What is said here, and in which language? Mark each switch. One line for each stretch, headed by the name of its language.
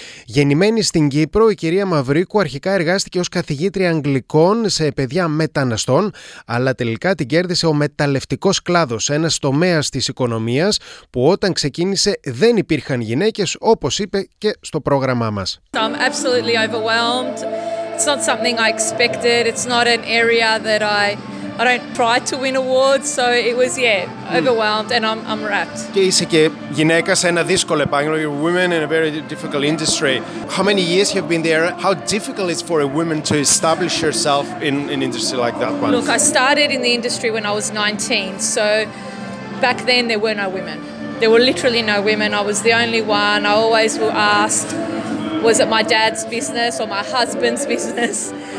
Greek: Γεννημένη στην Κύπρο, η κυρία Μαυρίκου αρχικά εργάστηκε ως καθηγήτρια Αγγλικών σε παιδιά μεταναστών, αλλά τελικά την κέρδισε ο μεταλλευτικός κλάδος, ένας τομέας της οικονομίας που όταν ξεκίνησε δεν υπήρχαν γυναίκες, όπως είπε και στο πρόγραμμά μας.
English: I'm absolutely overwhelmed. It's not something I expected. It's not an area that I don't try to win awards, so it was overwhelmed and I'm wrapped.
Greek: Και είσαι και γυναίκα σε ένα δύσκολο επάγγελμα.
English: You're a woman in a very difficult industry. How many years have you been there? How difficult is for a woman to establish herself in an industry like that one? Look, I started in the industry when I was 19, so back then there were no women. There were literally no women. I was the only one. I always were asked, was it my dad's business or my husband's business?